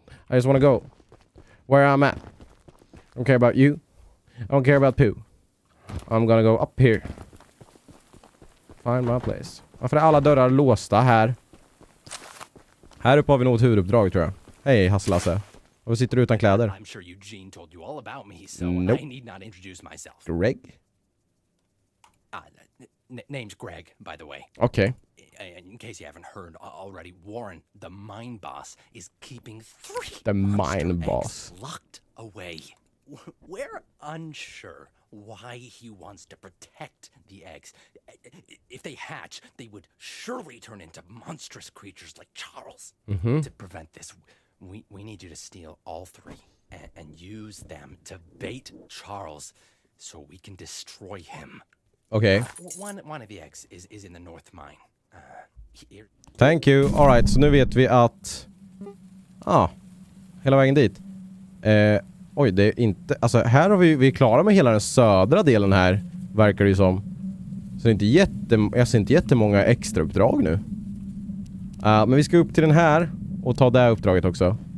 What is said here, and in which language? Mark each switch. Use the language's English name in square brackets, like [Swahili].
[English] I just wanna go where I'm at. I don't care about you. I don't care about poo. I'm gonna go up here. Find my place. [Swedish] Varför är alla dörrar låsta här? Här uppe har vi nog ett huvuduppdrag tror jag. Hej Hasselasse. Och sitter du utan kläder? [English] I'm sure Eugene told you all about me, so nope. I need not introduce myself. Greg? Name's Greg, by the way. Okay. In case you haven't heard already, Warren, the mine boss, is keeping three the mine boss locked away. We're unsure why he wants to protect the eggs. If they hatch, they would surely turn into monstrous creatures like Charles. Mm-hmm. To prevent this, we need you to steal all three and use them to bait Charles so we can destroy him. Okay. One of the eggs is in the north mine. Thank you. [Swedish] All right, så nu vet vi att hela vägen dit. Oj, det är inte, alltså här har vi är klara med hela den södra delen här, verkar det ju som. Så det är inte jag ser inte jättemånga extra uppdrag nu. Men vi ska upp till den här och ta det här uppdraget också.